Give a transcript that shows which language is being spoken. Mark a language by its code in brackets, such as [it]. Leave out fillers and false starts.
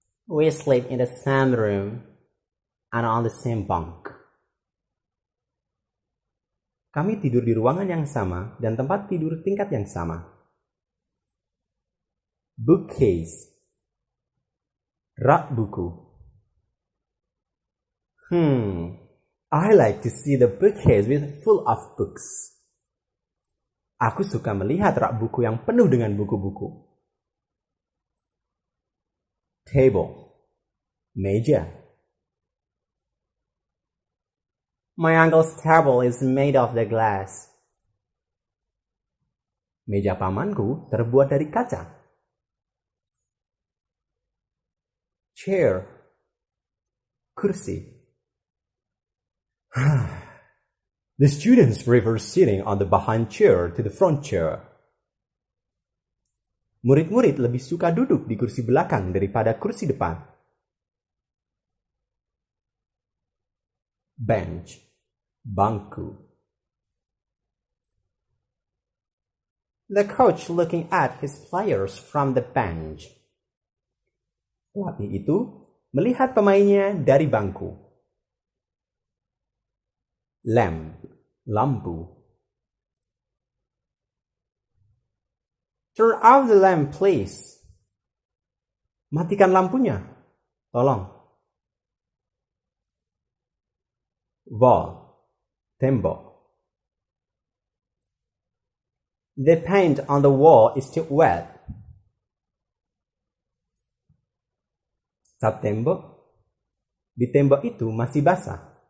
[en] We sleep in the same room and on the same bunk. [id] Kami tidur di ruangan yang sama dan tempat tidur tingkat yang sama. [en] Bookcase, [id] rak buku. [en] I like to see the bookcase with full of books. [id] Aku suka melihat rak buku yang penuh dengan buku-buku. [en] Table, [id] meja. [en] My uncle's table is made of the glass. [id] Meja pamanku terbuat dari kaca. [en] Chair, [id] kursi. [en] The students prefer sitting on the behind chair to the front chair. [id] Murid-murid lebih suka duduk di kursi belakang daripada kursi depan. [en] Bench, [id] bangku. [en] The coach looking at his players from the bench. [id] Pelatih itu melihat pemainnya dari bangku. [en] Lamp, [id] lampu. [en] Turn off the lamp, please. [id] Matikan lampunya, tolong. [en] Wall, [id] tembok. [en] The paint on the wall is too wet. [id] Cat tembok. Di tembok itu masih basah.